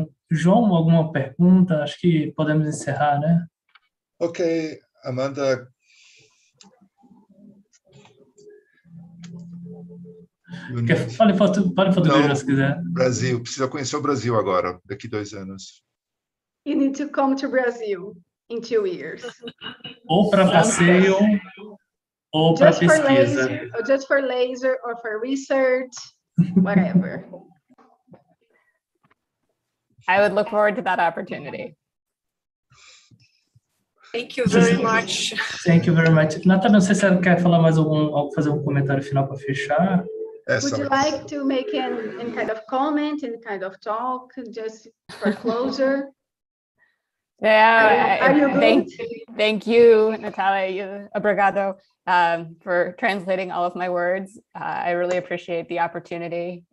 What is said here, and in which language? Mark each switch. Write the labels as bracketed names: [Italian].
[Portuguese] João, alguma pergunta? Acho que podemos encerrar, né? Ok, Amanda. Fale foto do Brasil, se quiser. Brasil, precisa conhecer o Brasil agora, daqui 2 anos. [English] You need to come to Brazil in 2 years. [Portuguese] Ou para passeio, ou para pesquisa. [English] Laser, just for laser, or for research, whatever. I would look forward to that opportunity. Thank you very much. Thank you very much. [Portuguese] Nathan, não sei se você quer falar mais algum, fazer um comentário final para fechar. [English] Would you like to make any kind of comment, any kind of talk, just for closure? Thank you, Natalia. [Portuguese] Obrigado [English] for translating all of my words. I really appreciate the opportunity.